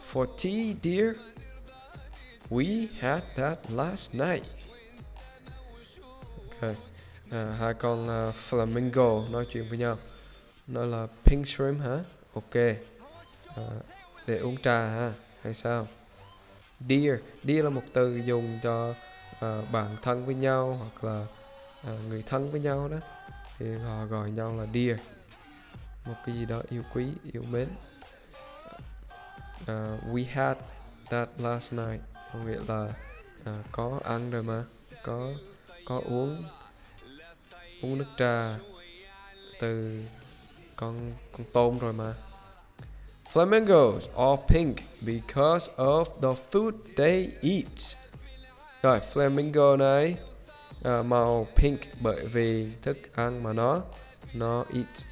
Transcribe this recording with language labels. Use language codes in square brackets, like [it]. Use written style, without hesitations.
[en] For tea, dear, we had that last night. Okay. [vi] Hai con flamingo nói chuyện với nhau. Nó là [en] pink shrimp [vi] hả? Okay. Để uống trà hả? Hay sao? Dear. Dear là một từ dùng cho bạn thân với nhau hoặc là người thân với nhau đó. Thì họ gọi nhau là dear. Một cái gì đó yêu quý, yêu mến. [en] We had that last night. [vi] Có nghĩa là có ăn rồi mà. Có uống nước trà từ con tôm rồi mà. [en] Flamingos all pink because of the food they eat. [vi] Rồi, flamingo này màu pink bởi vì thức ăn mà nó eat.